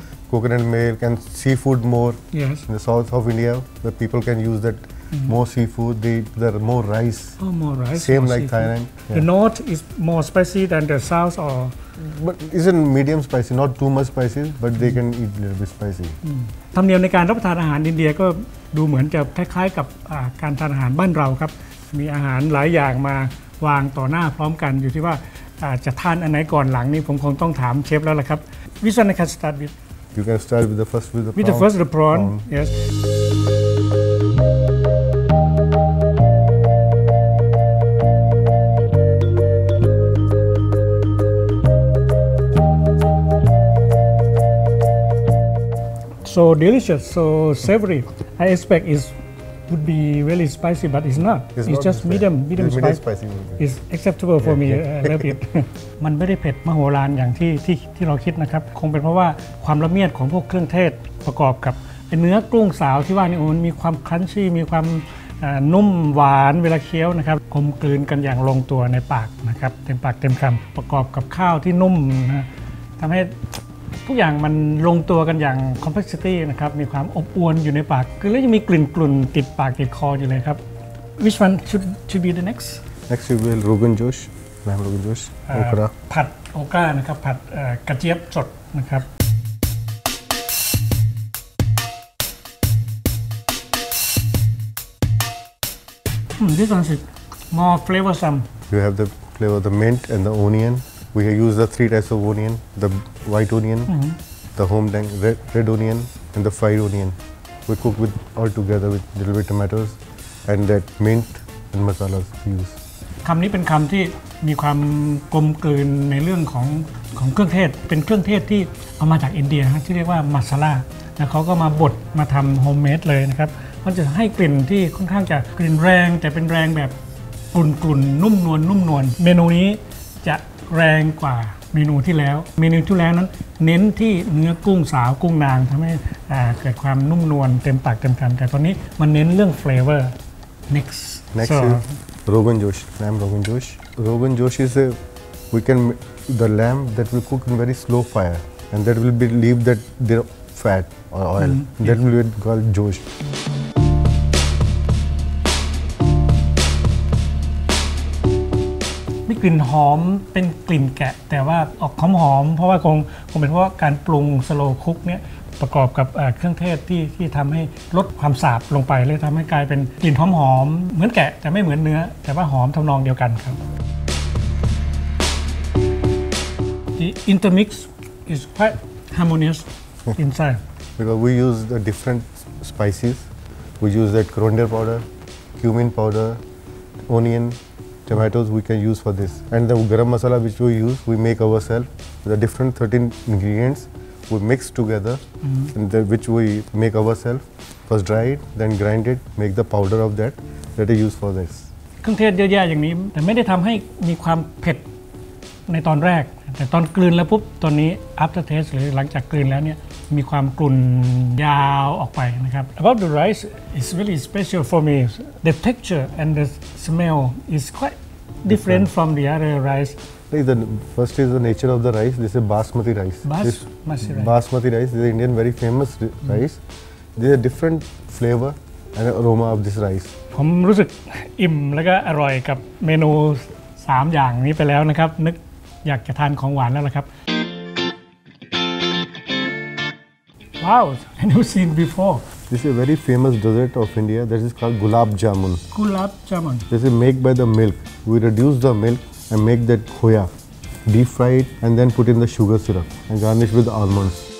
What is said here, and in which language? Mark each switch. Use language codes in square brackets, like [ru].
[en] Coconut milk and seafood more. Yes. In the south of India, the people can use that more seafood. There are more rice. Oh, more rice. Same more like seafood. Thailand. Yeah. The north is more spicy than the south or? But isn't medium spicy, not too much spicy, but they can eat a little bit spicy. [th] ธรรมเนียมในการรับประทานอาหารอินเดียก็ดูเหมือนจะคล้ายๆกับการทานอาหารบ้านเราครับมีอาหารหลายอย่างมาวางต่อหน้าพร้อมกันอยู่ที่ว่าจะทานอันไหนก่อนหลังนี้ผมคงต้องถามเชฟแล้วล่ะครับ [en] Which one I can start with? You can start with the first with the prawn. With the first the prawn, yes. So delicious, so savory. I expect it would be really spicy, but it's not. It's not just spicy. medium spicy. It's acceptable for me. Yeah. A little bit. [th] มันไม่ได้เผ็ดมโหฬารอย่างที่เราคิดนะครับคงเป็นเพราะว่าความละเมียดของพวกเครื่องเทศประกอบกับเนื้อกุ้งสาวที่ว่านี่มันมีความครันชี่มีความนุ่มหวานเวลาเคี้ยวนะครับกลมกลืนกันอย่างลงตัวในปากนะครับเต็มปากเต็มคำประกอบกับข้าวที่นุ่มนะทำให้ทุกอย่างมันลงตัวกันอย่างคอมเพล็กซิตี้นะครับมีความอบอวลอยู่ในปากคือแล้วยังมีกลิ่นกลุ่นติดปากติดคออยู่เลยครับ [en] Which one should be the next? Next we will Rogan Josh Lamb Rogan Josh Okra [th] ผัดโอก้านะครับผัดกระเจี๊ยบสดนะครับ [en] This one is more flavorsome You have the flavor of the mint and the onionWe use the three types of onion, the white onion, the home dang red onion, and the fried onion. We cook with all together with little bit tomatoes, and that mint and masalas we use. [th] คำนี้เป็นคำที่มีความกลมกลืนในเรื่องของเครื่องเทศเป็นเครื่องเทศที่เอามาจากอินเดียที่เรียกว่ามาซาลาแล้วเขาก็มาบดมาทำโฮมเมดเลยนะครับมันจะให้กลิ่นที่ค่อนข้างจะกลิ่นแรงแต่เป็นแรงแบบกลุ่นๆนุ่มนวลนุ่มนวลเมนูนี้แรงกว่าเมนูที่แล้วเมนูที่แล้วนั้นเน้นที่เนื้อกุ้งสาวกุ้งนางทำให้เกิดความนุ่มนวลเต็มปากเต็มคำแต่ตอนนี้มันเน้นเรื่องเฟลเวอร์ next [en] so. is Rogan Josh lamb Rogan Josh Rogan Josh is a, we can the lamb that will cook in very slow fire and that will be leave that the fat or oil that will be called Josh [th] มีกลิ่นหอมเป็นกลิ่นแกะแต่ว่าออกหอมหอมเพราะว่าคงเป็นเพราะการปรุงสโลว์คุกเนี่ยประกอบกับเครื่องเทศที่ทำให้ลดความสาบลงไปเลยทำให้กลายเป็นกลิ่นหอมหอมเหมือนแกะแต่ไม่เหมือนเนื้อแต่ว่าหอมทำนองเดียวกันครับ [en] The intermix is quite harmonious inside because we use the different spices we use that coriander powder cumin powder onionTomatoes we can use for this, and the garam masala which we use, we make ourselves. The different 13 ingredients we mix together, and the, which we make ourselves. First dry it, then grind it, make the powder of that. That is used for this. [th] เครื่องเทศเยอะแยะอย่างนี้แต่ไม่ได้ทำให้มีความเผ็ดในตอนแรก แต่ตอนกลืนแล้วปุ๊บตอนนี้ after taste หรือหลังจากกลืนแล้วเนี่ยมีความกลุ่นยาวออกไปนะครับ [en] About the rice is really special for me. The texture and the smell is quite different from the other rice. First is the nature of the rice. This is basmati rice. Basmati rice. This is Indian very famous rice. This is a different flavor and aroma of this rice. [th] ผมรู้สึกอิ่มแล้วก็อร่อยกับเมนู3อย่างนี้ไปแล้วนะครับนึกอยากจะทานของหวานแล้วล่ะครับว้าว [en] I never seen before This is a very famous dessert of India that is called gulab jamun Gulab jamun This is made by the milk we reduce the milk and make that khoya deep fried and then put in the sugar syrup and garnish with almonds